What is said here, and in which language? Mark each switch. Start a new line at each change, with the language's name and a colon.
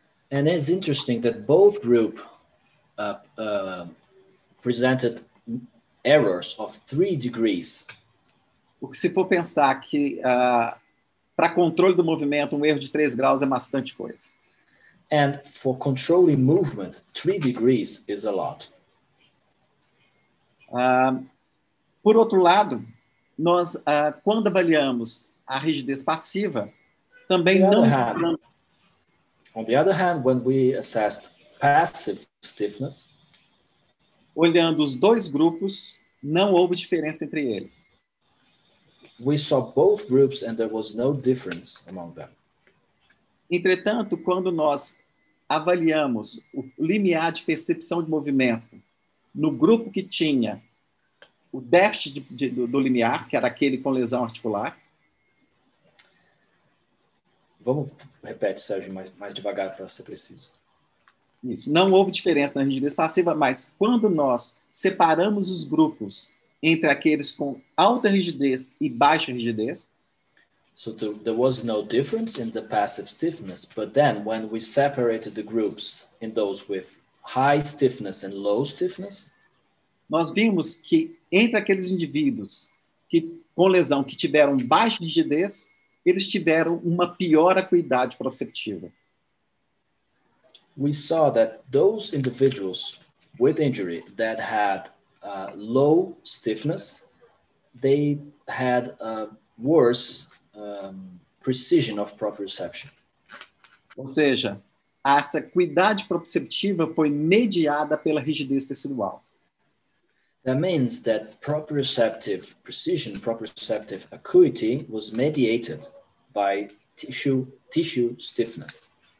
English: And it's interesting that both groups presented errors of 3 degrees.
Portuguese: O que se for pensar que... Para controle do movimento, um erro de 3 graus é bastante coisa.
English: And for controlling movement, 3 degrees is a lot.
Portuguese: Por outro lado, nós, quando avaliamos a rigidez passiva, também não...
English: On the other hand, when we assessed passive stiffness,
Portuguese: olhando os dois grupos, não houve diferença entre eles.
English: We saw both groups and there was no difference among them.
Portuguese: Entretanto, quando nós avaliamos o limiar de percepção de movimento no grupo que tinha o déficit do limiar, que era aquele com lesão articular. Vamos, repete, Sérgio, mais devagar para ser preciso. Isso, não houve diferença na rigidez passiva, mas quando nós separamos os grupos entre aqueles com alta rigidez e baixa rigidez.
English: So there was no difference in the passive stiffness, but then when we separated the groups in those with high stiffness and low stiffness,
Portuguese: nós vimos que entre aqueles indivíduos que com lesão que tiveram baixa rigidez, eles tiveram uma pior acuidade proprioceptiva.
English: We saw that those individuals with injury that had low stiffness, they had a worse precision of proprioception.
Portuguese: Ou seja, essa acuidade proprioceptiva foi mediada pela rigidez tecidual.
English: That means that proprioceptive precision, proprioceptive acuity was mediated by tissue stiffness.